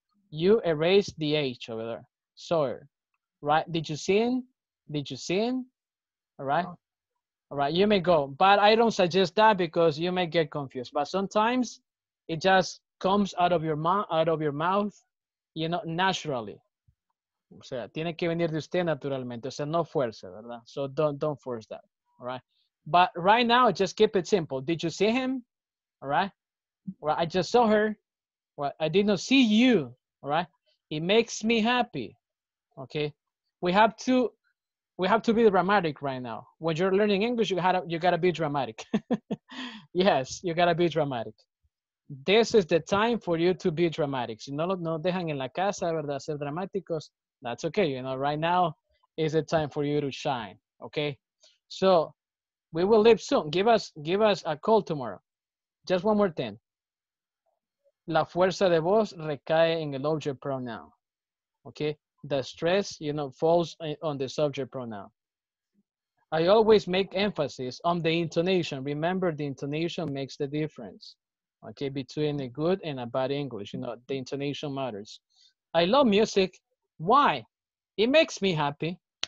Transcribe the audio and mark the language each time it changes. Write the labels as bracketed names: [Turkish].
[English] You erase the H over there, saw her, right? Did you see him? All right, you may go, but I don't suggest that because you may get confused, but sometimes it just comes out of your mouth, you know, naturally. [Spanish] O sea, tiene que venir de usted naturalmente. O sea, no fuerza, ¿verdad? [English] So don't force that, all right? But right now, just keep it simple. Did you see him? All right? Well, I just saw her. Well, I did not see you, all right? It makes me happy, okay? We have to be dramatic right now. When you're learning English, you gotta be dramatic. Yes, you gotta be dramatic. This is the time for you to be dramatic. [Spanish] Si no dejan en la casa, ¿verdad? Ser dramáticos. [English] That's okay. You know, right now is the time for you to shine. Okay. So we will leave soon. Give us a call tomorrow. Just one more thing. [Spanish] La fuerza de voz recae en el object pronoun. [English] Okay. The stress, you know, falls on the subject pronoun. I always make emphasis on the intonation. Remember, the intonation makes the difference. Okay, between a good and a bad English, you know, the intonation matters. I love music. Why? It makes me happy.